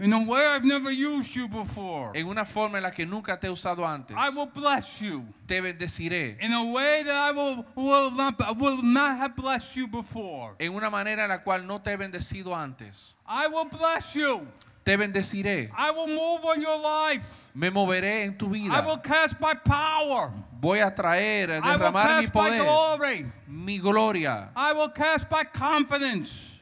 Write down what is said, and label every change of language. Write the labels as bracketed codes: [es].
[en] In a way I've never used you before. [es] En una forma en la que nunca te he usado antes. [en] I will bless you. [es] Te bendeciré. [en] In a way that I will not have blessed you before. [es] En una manera en la cual no te he bendecido antes. [en] I will bless you. [es] Te bendeciré. [en] I will move on your life. [es] Me moveré en tu vida. [en] I will cast my power. [es] Voy a traer, a derramar [en] I will cast [es] mi poder. [en] My glory. [es] Mi gloria. [en] I will cast my confidence.